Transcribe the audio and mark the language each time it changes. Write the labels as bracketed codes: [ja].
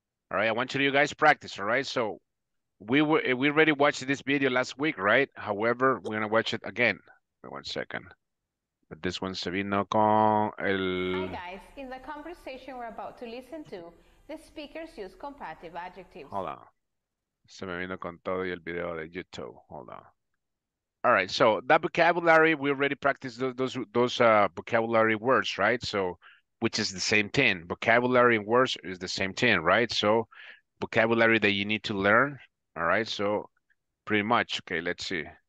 [en] All right, I want you guys to practice, all right? So we already watched this video last week, right? However, we're going to watch it again. Wait 1 second. But this one, [es] se vino con el... [en] Hi, guys. In the conversation we're about to listen to, the speakers use comparative adjectives. Hold on. [es] Se me vino con todo y el video de YouTube. [en] Hold on. All right, so that vocabulary, we already practiced those vocabulary words, right? So... which is the same thing. Vocabulary and words is the same thing, right? So vocabulary that you need to learn, all right? So pretty much, okay, let's see.